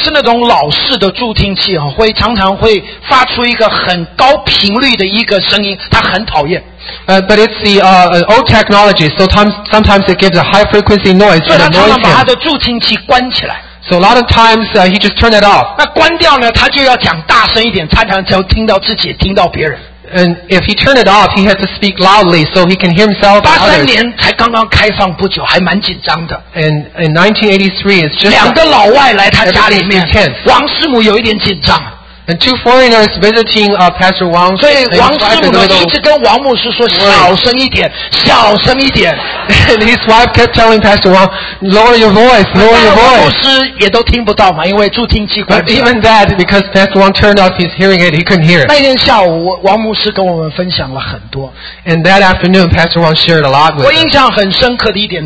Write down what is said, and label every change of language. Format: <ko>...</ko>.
<zh>但是呢,是那种老式的助听器, 会常常会发出一个很高频率的一个声音, 他很讨厌。</zh> <en>But it's the old technology, so sometimes it gives a high frequency noise.</en> <zh>所以他常常把他的助听器关起来。</zh> <en>So a lot of times he just turned it off.</en> <zh>那关掉呢, 他就要讲大声一点, 常常就听到自己, 听到别人。</zh> <en>And if he turned it off, he had to speak loudly so he can hear himself.</en> <zh>83年才刚刚开放不久,</zh> <en>and in 1983, it's just</en> <zh>两个老外来他家里面，王师母有一点紧张。</zh> <en>And two foreigners visiting Pastor Wang. So</en> <zh>Wang Shimu一直跟王牧师说小声一点，小声一点。</zh> <en>And his wife kept telling Pastor Wang, lower your voice, lower your voice.</en> <zh>牧师也都听不到嘛，因为助听器关。</zh> <en>But even that, because Pastor Wang turned off his hearing aid, he couldn't hear.</en> <zh>那天下午，王牧师跟我们分享了很多。</zh> <en>And that afternoon, Pastor Wang shared a lot with us.</en>